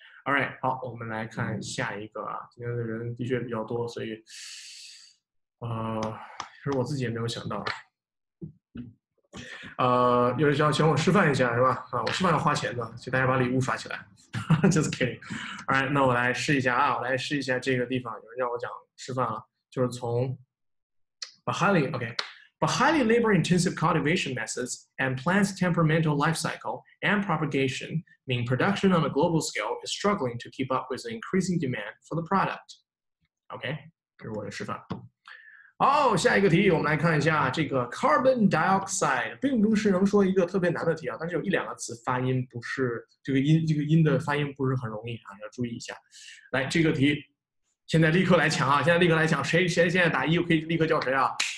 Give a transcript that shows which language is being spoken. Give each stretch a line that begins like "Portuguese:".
Chinese: All right， 好，我们来看下一个啊，今天的人的确比较多，所以，其实我自己也没有想到，有人想请我示范一下是吧？我示范要花钱的，请大家把礼物发起来。
English: Just kidding. All right,
Chinese: 那我来试一下啊，我来试一下这个地方。有人让我讲示范啊，就是从
English: but highly labor-intensive cultivation methods and plants' temperamental life cycle and propagation mean production on a global scale is struggling to keep up with the increasing demand for the product.
Chinese: Okay, 这是我的示范。好，下一个题，我们来看一下这个 carbon dioxide， 并不是能说一个特别难的题啊，但是有一两个词发音不是这个音的发音不是很容易啊，要注意一下。来，这个题，现在立刻来抢，谁现在打一，我可以立刻叫谁啊？